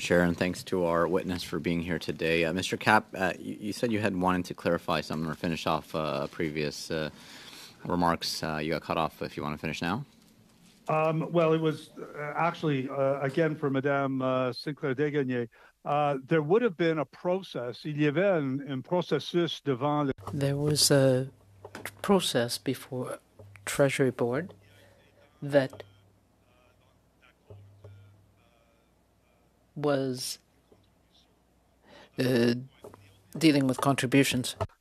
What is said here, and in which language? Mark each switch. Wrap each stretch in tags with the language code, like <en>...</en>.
<en>Chair, and thanks to our witness for being here today. Mr. Kapp, you said you had wanted to clarify something or finish off previous remarks. You got cut off if you want to finish now. Well, it was actually, again, for Madame Sinclair-Desgagne, there would have been a process.</en> <fr>Il y avait un processus devant...</fr> <en>There was a process before Treasury Board that was dealing with contributions.</en>